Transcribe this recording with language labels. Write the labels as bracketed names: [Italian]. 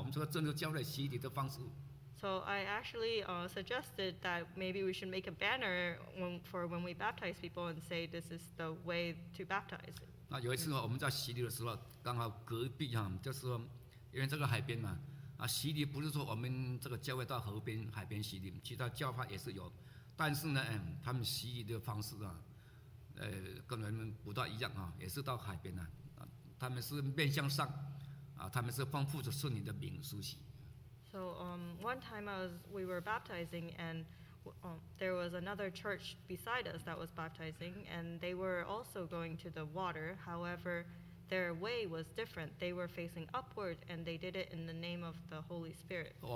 [English] So I actually suggested that maybe we should make a banner for when we baptize people and say this is the way to baptize. [Chinese] 有一次我们在洗礼的时候，刚好隔壁啊，就是因为这个海边嘛，啊，洗礼不是说我们这个教会到河边海边洗礼，其他教派也是有，但是呢，他们洗礼的方式啊，跟人们不大一样啊，也是到海边啊，他们是面向上，啊，他们是奉父子圣灵的名书洗。 [English] So one time we were baptizing and there was another church beside us that was baptizing and they were also going to the water. However, their way was different. They were facing upward and they did it in the name of the Holy Spirit.